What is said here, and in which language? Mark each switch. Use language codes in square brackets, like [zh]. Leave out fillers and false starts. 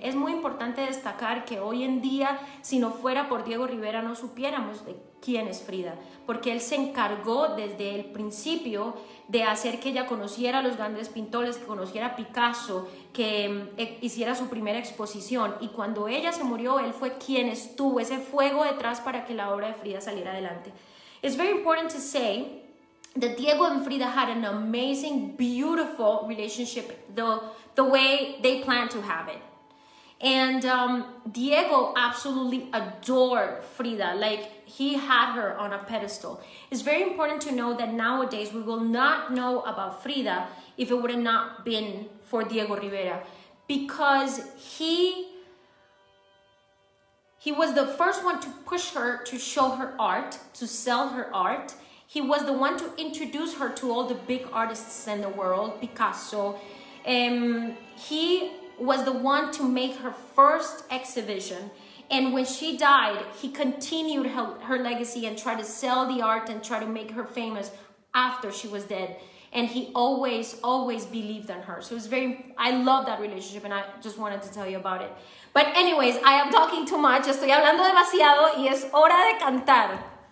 [es] Es muy importante destacar que hoy en día, si no fuera por Diego Rivera, no supiéramos de quién es Frida, porque él se encargó desde el principio de hacer que ella conociera a los grandes pintores, que conociera a Picasso, que hiciera su primera exposición. Y cuando ella se murió, él fue quien estuvo ese fuego detrás para que la obra de Frida saliera adelante. [en] It's very important to say that Diego and Frida had an amazing, beautiful relationship the way they planned to have it. And Diego absolutely adored Frida, like he had her on a pedestal. It's very important to know that nowadays we will not know about Frida if it would have not been for Diego Rivera, because he was the first one to push her to show her art, to sell her art. He was the one to introduce her to all the big artists in the world, Picasso. He was the one to make her first exhibition. And when she died, he continued her legacy and tried to sell the art and try to make her famous after she was dead. And he always, always believed in her. So it's very, I love that relationship and I just wanted to tell you about it. But anyways, I am talking too much. [es] Estoy hablando demasiado y es hora de cantar.